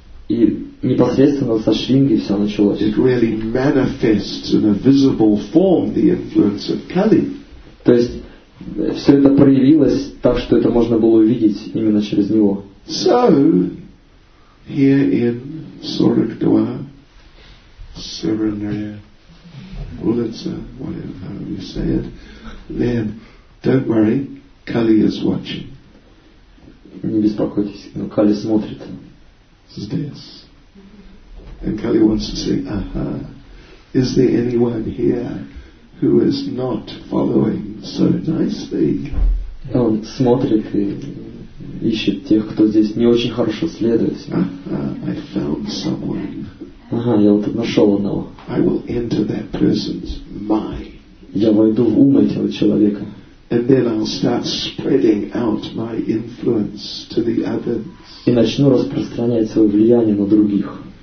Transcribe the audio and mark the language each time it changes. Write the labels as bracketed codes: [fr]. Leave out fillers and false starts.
[ru] И непосредственно со Шринги все началось. [en] It really manifests in a visible form the influence of Kali. [ru] То есть все это проявилось так, что это можно было увидеть именно через него. [en] So here in Surakdwa, Surinaya, Ulitsa, whatever you say it, then don't worry, Kali is watching. [ru] Не беспокойтесь, но Кали смотрит. Здесь. [en] And Kali wants to say, aha, is there anyone here who is not following so nicely? [ru] Он смотрит и ищет тех, кто здесь не очень хорошо следует. [en] I found someone. [ru] Ага, я вот нашел одного. [en] I will enter that person's mind. [ru] Я войду в ум этого человека. [en] And then I'll start spreading out my influence to the others. [ru] И начну распространять свое влияние на других.